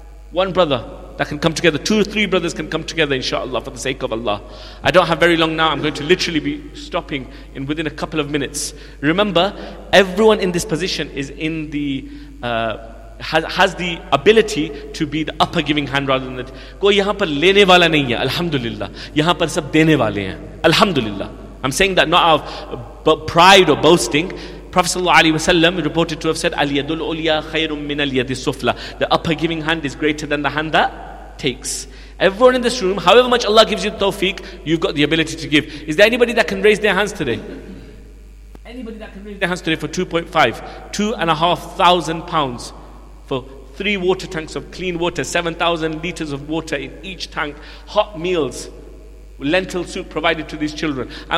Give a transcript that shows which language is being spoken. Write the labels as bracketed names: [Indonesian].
[English] One brother that can come together. Two or three brothers can come together, inshallah, for the sake of Allah. I don't have very long now. I'm going to literally be stopping in within a couple of minutes. Remember, everyone in this position is in the has the ability to be the upper giving hand rather than the [Urdu] کوئی یہاں پر لینے والا نہیں ہے, الحمدللہ. یہاں پر سب دینے والے ہیں, الحمدللہ. [English] I'm saying that not out of pride or boasting. Prophet sallallahu alaihi wasallam reported to have said, [Arabic] al yadul ulya khayrun min al yadis sufla. [English] The upper giving hand is greater than the hand that takes. Everyone in this room, however much Allah gives you tawfiq, you've got the ability to give. Is there anybody that can raise their hands today? Anybody that can raise their hands today for 2,500 pounds for three water tanks of clean water, 7,000 liters of water in each tank, hot meals, lentil soup provided to these children.